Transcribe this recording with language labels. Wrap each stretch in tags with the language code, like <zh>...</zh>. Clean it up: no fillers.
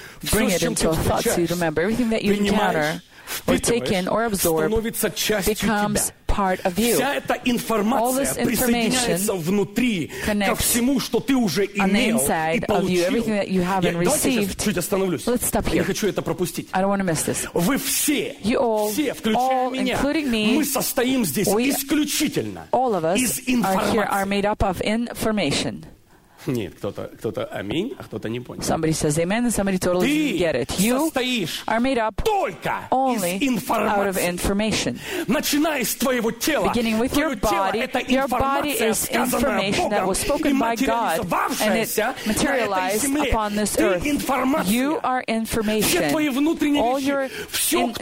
<en>bring it into a thought so you remember. Everything that you encounter or take in or absorb becomes</en> <ru>тебя.</ru> <en>part of you.</en> <ru>Вся эта информация присоединяется внутри ко всему, что ты уже имел и получил. You, я, давайте сейчас чуть остановлюсь.</ru> <en>Let's stop here.</en> <ru>Я хочу это пропустить.</ru> <en>I don't want to miss this.</en> <ru>Вы все, все, включая меня, мы состоим здесь исключительно</ru> <en>all of us</en> <ru>из информации.</ru> <en>Are here are made up of information.</en> <ru>Нет, кто-то аминь, а кто-то не понял.</ru> <en>Somebody says amen, and somebody totally didn't get it. You are made up only out of information.</en> <ru>Начиная с твоего тела,</ru> <en>beginning with your body, your body is information that was spoken by God, and it materialized upon this earth. You are information.</en> <ru>Все твои внутренние вещи, все, кто</ru>